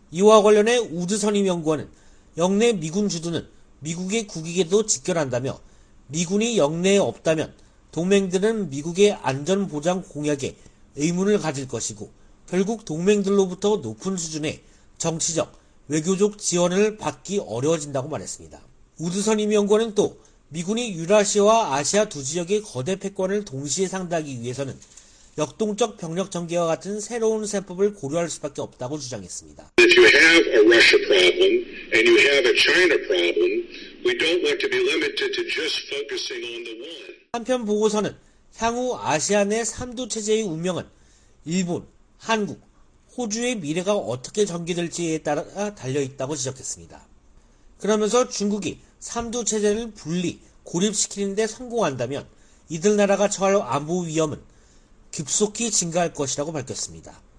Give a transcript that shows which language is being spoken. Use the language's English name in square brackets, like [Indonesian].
[Korean] 이와 관련해 우드 선임연구원은 역내 미군 주둔은 미국의 국익에도 직결한다며 미군이 역내에 없다면 동맹들은 미국의 안전보장 공약에 의문을 가질 것이고 결국 동맹들로부터 높은 수준의 정치적, 외교적 지원을 받기 어려워진다고 말했습니다. 우드선임연구원은 또 미군이 유라시아와 아시아 두 지역의 거대 패권을 동시에 상대하기 위해서는 역동적 병력 전개와 같은 새로운 세법을 고려할 수밖에 없다고 주장했습니다. [English] If you have a Russia problem and you have a China problem, we don't want to be limited to just focusing on the one. [Korean] 한편 보고서는 향후 아시아 내 3두 체제의 운명은 일본, 한국, 호주의 미래가 어떻게 전개될지에 따라 달려있다고 지적했습니다. 그러면서 중국이 3두 체제를 분리, 고립시키는 데 성공한다면 이들 나라가 처할 안보 위험은 급속히 증가할 것이라고 밝혔습니다.